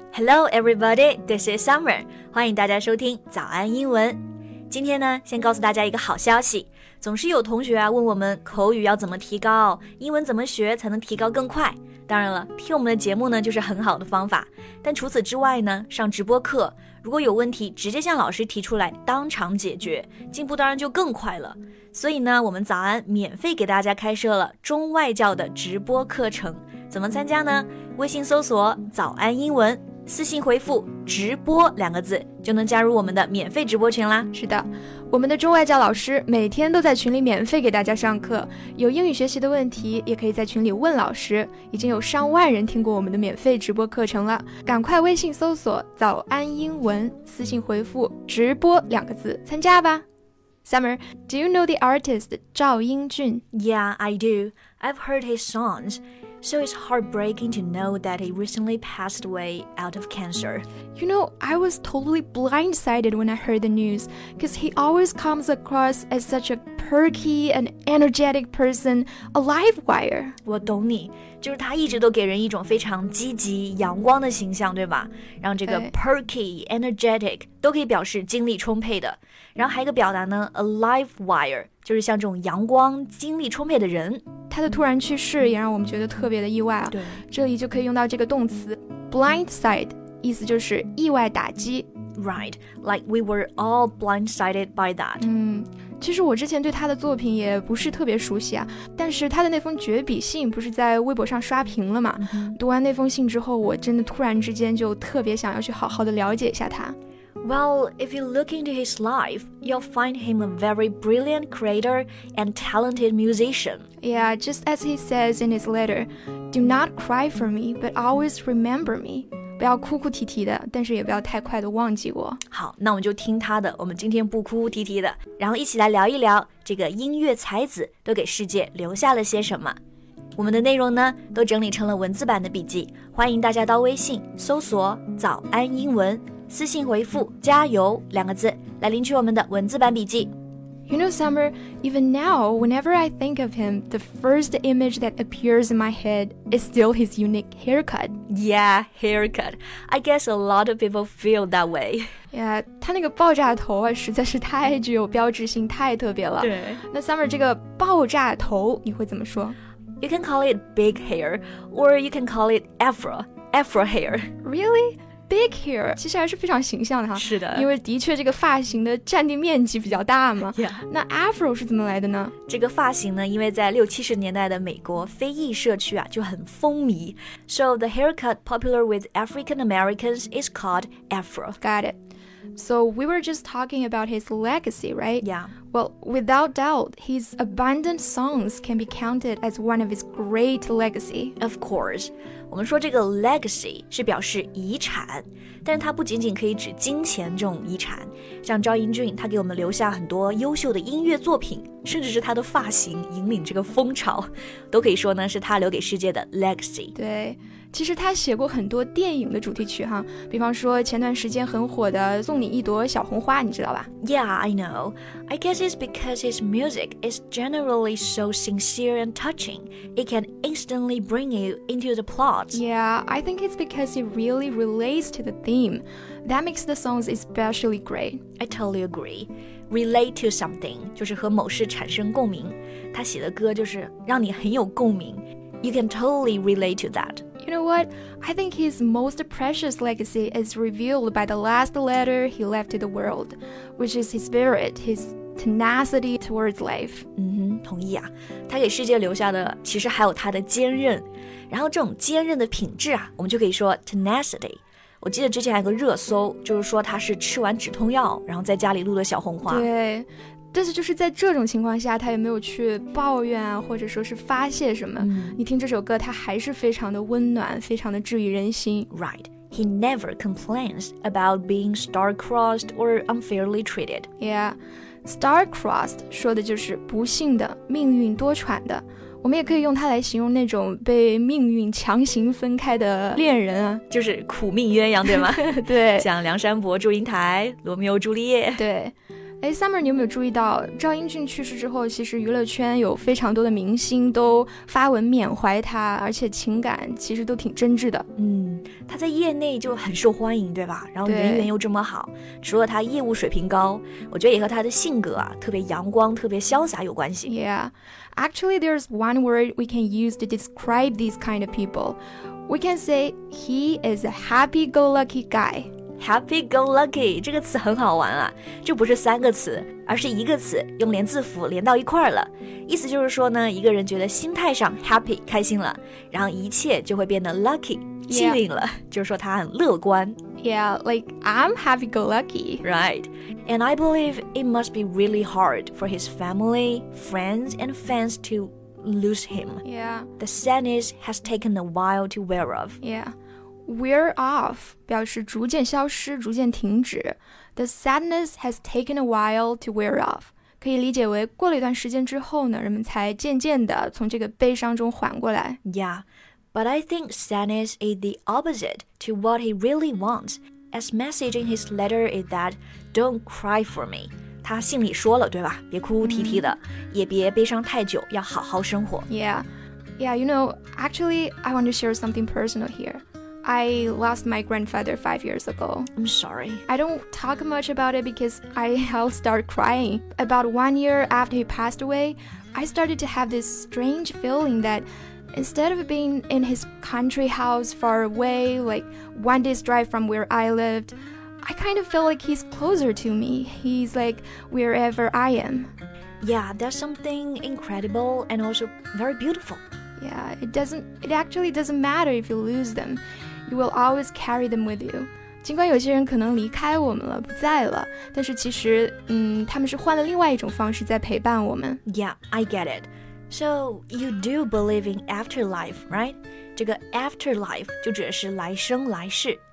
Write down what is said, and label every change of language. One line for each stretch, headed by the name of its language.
English: Hello everybody, this is Summer.
Chinese: 欢迎大家收听早安英文。今天呢，先告诉大家一个好消息。总是有同学啊问我们口语要怎么提高，英文怎么学才能提高更快。当然了，听我们的节目呢就是很好的方法。但除此之外呢，上直播课，如果有问题直接向老师提出来，当场解决，进步当然就更快了。所以呢，我们早安免费给大家开设了中外教的直播课程。怎么参加呢？微信搜索早安英文，私信回复直播两个字，就能加入我们的免费直播群啦。是的，我们的中外教老师每天都在群里免费给大家上课，有英语学习的问题也可以在群里问老师，已经有上万人听过我们的免费直播课程了，赶快微信搜索早安英文，私信回复直播两个字参加吧。
English: Summer, do you know the artist 赵英俊? Yeah, I do. I've heard his songsSo it's heartbreaking to know that he recently passed away out of cancer. You know, I was totally blindsided when I heard the news, because he always comes across as such a perky and energetic person, a live wire.
Chinese: 我懂你，就是他一直都给人一种非常积极、阳光的形象，对吧？然后这个 perky, energetic 都可以表示精力充沛的。然后还有一个表达呢 ,
English: a live wire,
Chinese: 就是像这种阳光、精力充沛的人。他的突然去世也让我们觉得特别的意外啊。对，这里就可以用到这个动词 blindside, 意思就是意外打击。
English: Right, like we were all blindsided by that.
Chinese: 其实我之前对他的作品也不是特别熟悉啊，但是他的那封绝笔信不是在微博上刷屏了吗？读完那封信之后，我真的突然之间就特别想要去好好的了解一下他。
English: Well, if you look into his life, you'll find him a very brilliant creator and talented musician. Yeah, just as he says in his letter, do not cry for me, but always remember me.
Chinese: 不要哭哭啼啼的，但是也不要太快的忘记我。好，那我们就听他的，我们今天不哭哭啼啼的，然后一起来聊一聊这个音乐才子都给世界留下了些什么。我们的内容呢都整理成了文字版的笔记，欢迎大家到微信搜索早安英文，私信回复加油两个字来领取我们的文字版笔记。
English: You know, Summer, even now, whenever I think of him, the first image that appears in my head is still his unique haircut. Yeah, haircut. I guess a lot of people feel that way.
Chinese: Yeah, 他那个爆炸头啊，实在是太具有标志性，太特别了。对。那 Summer, 这个爆炸头你会怎么说？
English: You can call it big hair, or you can call it afro hair. Really?
Chinese: Big hair 其实还是非常形象的哈，是的，因为的确这个发型的占地面积比较大嘛。
English: Yeah.
Chinese: 那 Afro 是怎么来的呢？这个发型呢，因为在六七十年代的美国非裔社区啊就很风靡。
English: So the haircut popular with African Americans is called Afro. Got it. So we were just talking about his legacy, right? Yeah. Well, without doubt, his abandoned songs can be counted as one of his great legacy. Of course.
Chinese: 我们说这个 legacy 是表示遗产，但是它不仅仅可以指金钱这种遗产，像赵英俊他给我们留下很多优秀的音乐作品，甚至是他的发型引领这个风潮，都可以说呢是他留给世界的 legacy。对，其实他写过很多电影的主题曲哈，比方说前段时间很火的送你一朵小红花，你知道吧？
English: Yeah, I know. I guess it's because his music is generally so sincere and touching. It can instantly bring you into the plot Yeah, I think it's because it really relates to the theme. That makes the songs especially great. I totally agree. Relate to something,
Chinese: 就是和某事产生共鸣。他写的歌就是让你很有共鸣。
English: You can totally relate to that. You know what? I think his most precious legacy is revealed by the last letter he left to the world, which is his spirit, his tenacity towards life.
Chinese: 同意啊。他给世界留下的其实还有他的坚韧。然后这种坚韧的品质啊，我们就可以说 tenacity。我记得之前还有个热搜，就是说他是吃完止痛药然后在家里录的小红花。对，但是就是在这种情况下他也没有去抱怨啊，或者说是发泄什么。你听这首歌他还是非常的温暖，非常的治愈人心。
English: Right, he never complains about being star-crossed or unfairly treated.
Chinese: Yeah, star-crossed 说的就是不幸的，命运多舛的。我们也可以用它来形容那种被命运强行分开的恋人啊，就是苦命鸳鸯，对吗？对，像梁山伯祝英台、罗密欧朱丽叶。对，哎 ，Summer， 你有没有注意到赵英俊去世之后，其实娱乐圈有非常多的明星都发文缅怀他，而且情感其实都挺真挚的。嗯，他在业内就很受欢迎，对吧？然后人缘又这么好，除了他业务水平高，我觉得也和他的性格啊，特别阳光、特别潇洒有关系。
English: Yeah, actually, there's one word we can use to describe these kind of people. We can say he is a happy-go-lucky guy.
Chinese: Happy go lucky 这个词很好玩啊，这不是三个词，而是一个词，用连字符连到一块了。意思就是说呢，一个人觉得心态上 happy 开心了，然后一切就会变得 lucky、
English: yeah.
Chinese: 幸运了，就是说他很乐观。
English: Yeah, like I'm happy go lucky. Right. And I believe it must be really hard for his family, friends, and fans to lose him. Yeah. The sadness has taken a while to wear off. Yeah.
Chinese: Wear off 表示逐渐消失，逐渐停止。
English: The sadness has taken a while to wear off
Chinese: 可以理解为过了一段时间之后呢，人们才渐渐地从这个悲伤中缓过来。
English: Yeah, but I think sadness is the opposite to what he really wants. As message in his letter is that don't cry for me.
Chinese: 他信里说了，对吧？别哭哭啼啼的、也别悲伤太久，要好好生活。
English: Yeah, you know, actually, I want to share something personal hereI lost my grandfather 5 years ago. I'm sorry. I don't talk much about it because I'll start crying. About 1 year after he passed away, I started to have this strange feeling that instead of being in his country house far away, like 1 day's drive from where I lived, I kind of feel like he's closer to me. He's like wherever I am. Yeah, that's something incredible and also very beautiful. Yeah, it actually doesn't matter if you lose them. You will always carry them with you.
Chinese: 尽管有些人可能离开我们了，不在了，但是其实，他们是换了另外一种方式在陪伴我们。
English: Yeah, I get it. So you do believe in afterlife, right?
Chinese: 这个 afterlife 就指的是来生来世。